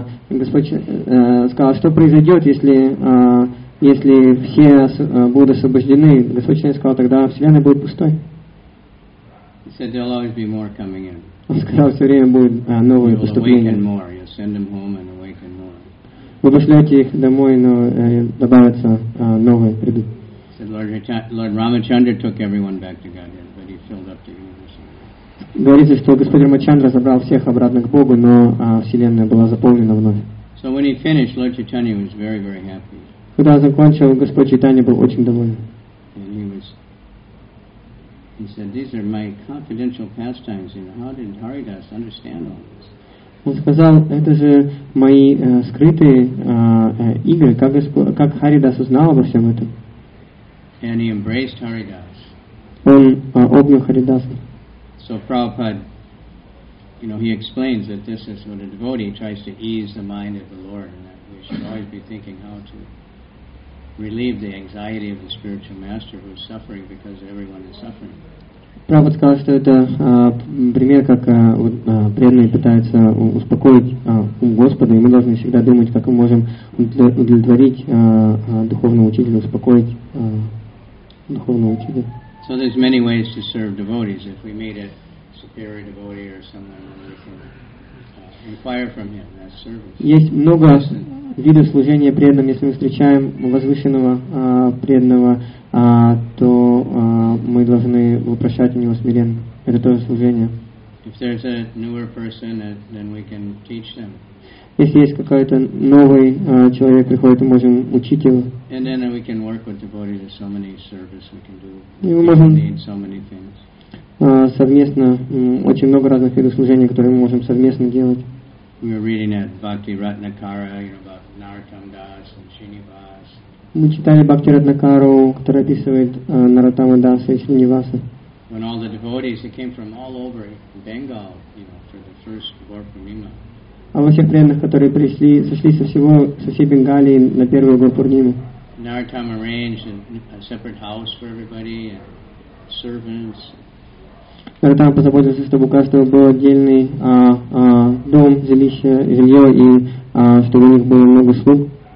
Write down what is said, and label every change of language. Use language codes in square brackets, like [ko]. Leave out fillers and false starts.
[ru] Господь сказал, что произойдет, если все будут освобождены? Господь сказал, тогда вселенная будет пустой. [en] He said there'll always be more coming in. [ru] Он сказал, все время будет новые поступления. [en] You'll awaken more. You'll send them home and awaken more. [ru] Вы пошлете их домой, но добавятся новые придут. [en] He said Lord Ramachandra took everyone back to Godhead, but he filled up the universe. [ru] Говорится, что Господь Рамачандра забрал всех обратно к Богу, но Вселенная была заполнена вновь. [en] So when he finished, Lord Chaitanya was very, very happy. [ru] Когда он закончил, Господь Чайтанья был очень доволен. [en] And he said, "These are my confidential pastimes. How did Haridas understand all this?" [ru] Он сказал, это же мои скрытые игры. Как Харидас узнал обо всем этом? [en] And he embraced Haridas. [ru] Он обнял Харидаса. [en] So Prabhupada, he explains that this is what a devotee tries to ease the mind of the Lord, and that we should always be thinking how to relieve the anxiety of the spiritual master who is suffering because everyone is suffering. [ru] Prabhupada сказал, что это пример, как преданные пытаются успокоить ум Господа, и мы должны всегда думать, как мы можем удовлетворить духовного учителя, успокоить духовного учителя. [en] So there's many ways to serve devotees. If we meet a superior devotee or someone, we can inquire from him as service. [ru] Есть много видов служения преданным. Если мы встречаем возвышенного преданного, то мы должны вопрошать у него смиренно. Это тоже служение. [en] If there's a newer person, then we can teach them. [ru] Если есть какой-то новый человек приходит, мы можем учить его. [en] And then we can work with devotees. There's so many service we can do. We can need so many things. [ru] Совместно очень много разных видов служения, которые мы можем совместно делать. [en] We were reading at Bhakti Ratnakara, you know, about Narottam Das and Srinivas. [ru] Мы читали Бхакти Ратнакару, который описывает Наротама Даса и Шринниваса. [en] When all the devotees, they came from all over Bengal, you know, for the first Gaur Purnima. [ru] А во всех преданных, которые пришли, сошли со всего, со всей Бенгалии на первую Гаур Пурниму. [en] Наротама arranged a separate house for everybody and servants. [ru] Наротама позаботился, чтобы у каждого был отдельный дом, жилище, жилье, и чтобы у них было много слуг.